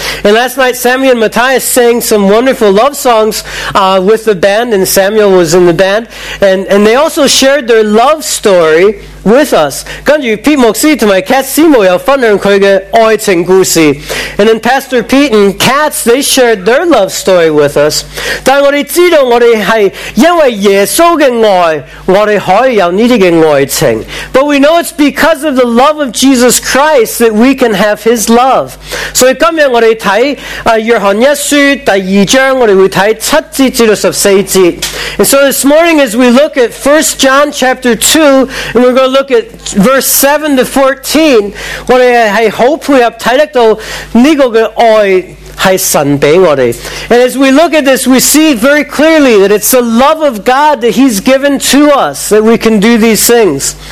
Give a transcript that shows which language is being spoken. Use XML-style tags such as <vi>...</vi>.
<en>And last night Sammy and Matthias sang some wonderful love songs with the band, and Samuel was in the band, and they also shared their love story with us.</en> <yue>跟住 Pete 牧师同埋 Kat Simo 又分享佢嘅爱情故事，</yue> <en>and then Pastor Pete and Kat, they shared their love story with us.</en> <yue>但我哋知道我哋系因为耶稣嘅爱，我哋可以有呢啲嘅爱情。</yue> <en>But we know it's because of the love of Jesus Christ that we can have His love.</en> <yue>所以今日我哋睇约翰一书第二章，我哋会睇七节至到十四节，</yue> <en>And so this morning as we look at 1 John chapter 2, and we're going to look at verse 7 to 14,</en> <yue>我们 hopefully 要睇得到呢个嘅爱</yue> <en>and as we look at this, we see very clearly that it's the love of God that He's given to us that we can do these things.</en>